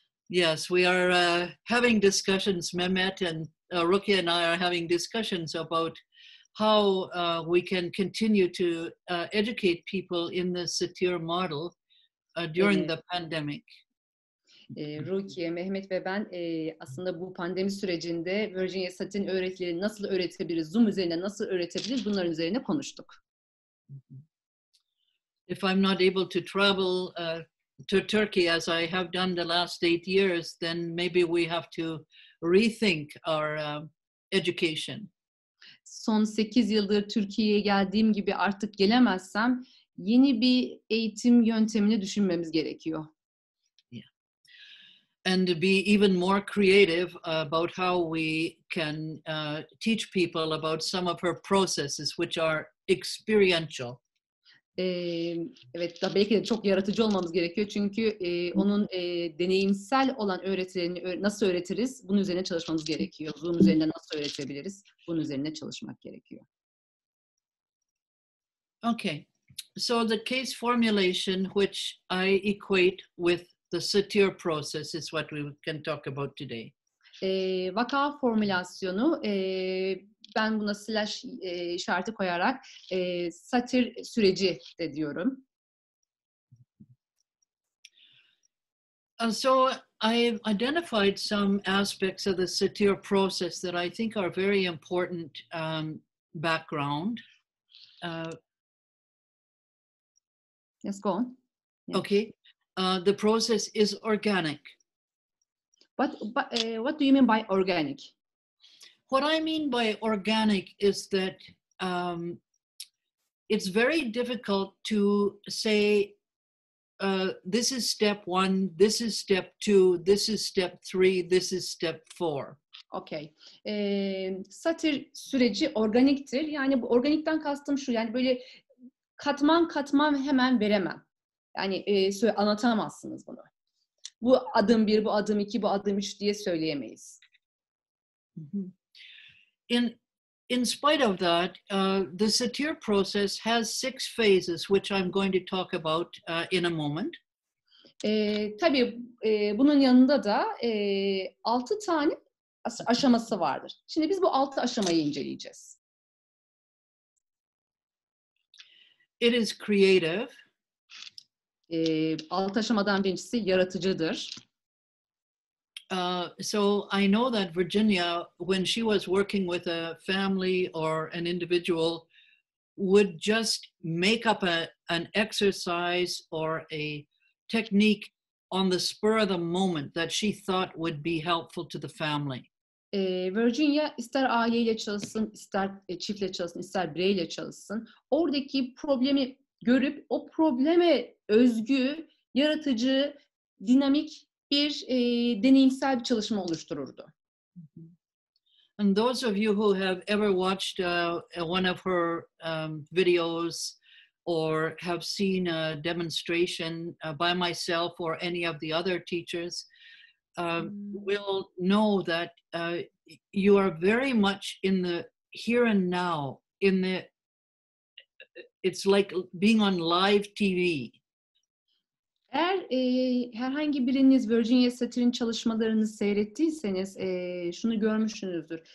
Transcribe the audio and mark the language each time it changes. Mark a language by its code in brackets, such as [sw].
[en] Yes, we are having discussions, Mehmet and Rukia and I are having discussions about how we can continue to educate people in the Satir model during the pandemic. [tr] Rukiye, Mehmet ve ben aslında bu pandemi sürecinde Virginia Satir'in öğretileri nasıl öğretebiliriz, Zoom üzerinde nasıl öğretebiliriz, bunların üzerine konuştuk. [en] If I'm not able to travel to Turkey as I have done the last 8 years, then maybe we have to rethink our education. [tr] Son 8 yıldır Türkiye'ye geldiğim gibi artık gelemezsem yeni bir eğitim yöntemini düşünmemiz gerekiyor. [en] And to be even more creative about how we can teach people about some of her processes, which are experiential. [tr] Evet, da belki de çok yaratıcı olmamız gerekiyor çünkü onun deneyimsel olan öğretilerini nasıl öğretiriz, bunun üzerine çalışmamız gerekiyor. Zoom üzerinde nasıl öğretebiliriz, bunun üzerine çalışmak gerekiyor. [en] Okay, so the case formulation, which I equate with the Satir process, is what we can talk about today. [tr] Vaka formülasyonu, ben buna slash işareti koyarak Satir süreci de diyorum. [en] So I've identified some aspects of the Satir process that I think are very important background. Yes, go on. Yeah. Okay. The process is organic. What do you mean by organic? What I mean by organic is that it's very difficult to say this is step one, this is step two, this is step three, this is step four. [tr] Okay. Satir süreci organiktir. Yani bu organikten kastım şu, yani böyle katman katman hemen veremem. Yani anlatamazsınız bunu. Bu adım bir, bu adım iki, bu adım üç diye söyleyemeyiz. [en] In spite of that, the Satir process has 6 phases, which I'm going to talk about in a moment. [tr] Tabii bunun yanında da 6 tane aşaması vardır. Şimdi biz bu 6 aşamayı inceleyeceğiz. [en] It is creative. [tr] Alt aşamadan birincisi yaratıcıdır. [en] So I know that Virginia, when she was working with a family or an individual, would just make up an exercise or a technique on the spur of the moment that she thought would be helpful to the family. [tr] Virginia ister aileyle çalışsın, ister çiftle çalışsın, ister bireyle çalışsın. Oradaki problemi görüp o probleme özgü, yaratıcı, dinamik bir deneyimsel bir çalışma oluştururdu. [en] And those of you who have ever watched one of her videos or have seen a demonstration by myself or any of the other teachers will know that you are very much in the here and now, in the, it's like being on live TV. [tr] Eğer herhangi biriniz Virginia Satir'in çalışmalarını seyrettiyseniz şunu görmüşsünüzdür.